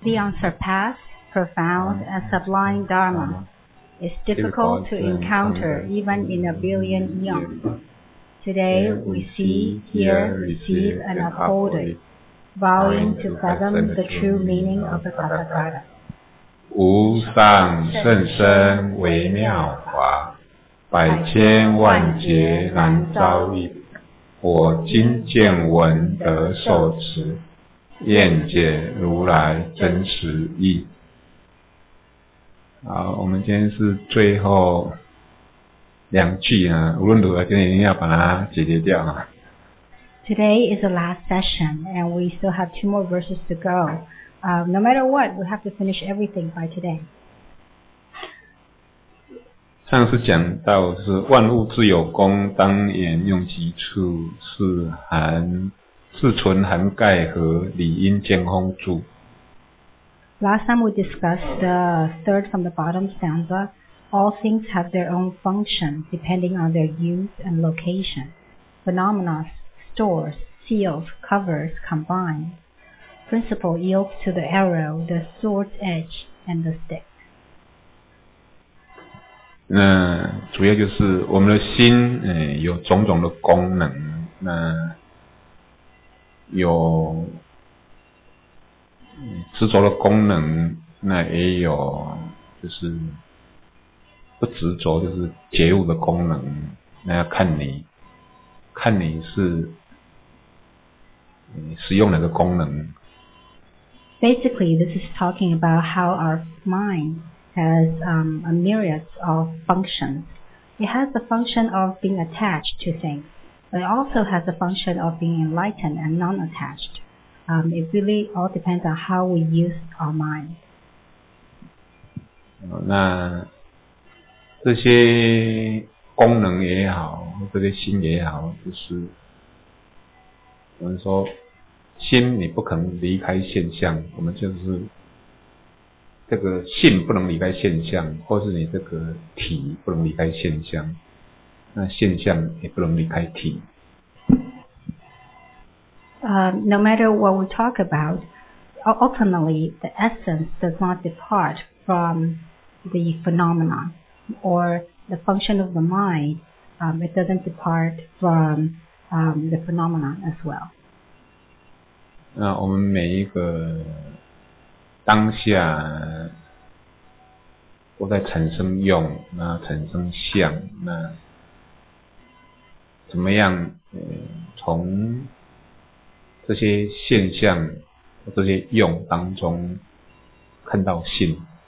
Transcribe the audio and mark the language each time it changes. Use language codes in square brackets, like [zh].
[en] The unsurpassed, profound, and sublime Dharma is difficult to encounter even in a billion eons. Today we see, hear, receive, and uphold it, vowing to fathom the true meaning of the Tathagata. [zh] 无上甚深微妙法，百千万劫难遭遇。我今见闻得受持，愿解如来真实义。好，我们今天是最后两句啊，无论如何今天一定要把它解决掉啊。 [en] Today is the last session, and we still have two more verses to go. No matter what, we have to finish everything by today. [zh] 上次讲到是万物自有功，当言用其处，是含是存含盖和理应兼空住。 [en] Last time we discussed the third from the bottom stanza, all things have their own function depending on their use and location. Phenomena, stores, seals, covers combine. Principle yields to the arrow, the sword's edge, and the stick. [zh] 那主要就是我们的心有种种的功能，那有执着的功能，那也有就是不执着，就是觉悟的功能。那要看你是使用哪个功能。 [en] Basically, this is talking about how our mind has a myriad of functions. It has the function of being attached to things. But it also has the function of being enlightened and non-attached. It really all depends on how we use our mind. [zh] 那这些功能也好，这些心也好，就是我们说心你不可能离开现象，我们就是这个性不能离开现象，或是你这个体不能离开现象。那现象也不能离开体。 [en] No matter what we talk about, ultimately the essence does not depart from the phenomenon or the function of the mind. It doesn't depart from the phenomenon as well. [zh] 那我们每一个当下都在产生用，那产生相，那怎么样从这些现象这些用当中看到性。